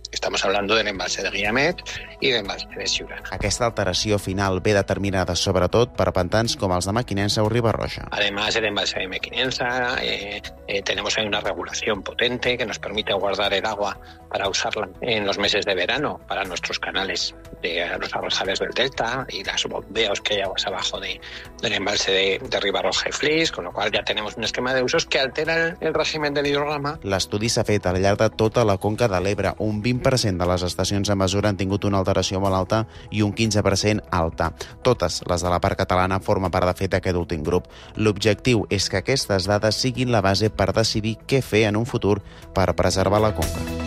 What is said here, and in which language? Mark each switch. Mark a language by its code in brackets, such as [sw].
[es] Estamos hablando del embalse de Guillamet y del embalse de Siurana. [ca] Aquesta alteració final ve determinada sobretot per pantans com els de Mequinensa o Ribarroja. [es] Además, el embalse de Mequinensa, tenemos ahí una regulación potente que nos permite guardar el agua para usarla en los meses de verano para nuestros canales de los arrozales del Delta y las bombeos que hay aguas abajo del embalse de Ribarroja y Flix, con lo cual ya tenemos un esquema de usos que altera el régimen del hidrograma. [ca] L'estudi s'ha fet al llarg de tota la conca de l'Ebre, un 20% de les estacions a mesura han tingut una alteració molt alta i un 15% alta. Totes les de la part catalana formen part, de fet, d'aquest últim grup. L'objectiu és que aquestes dades siguin la base per decidir què fer en un futur per preservar la conca.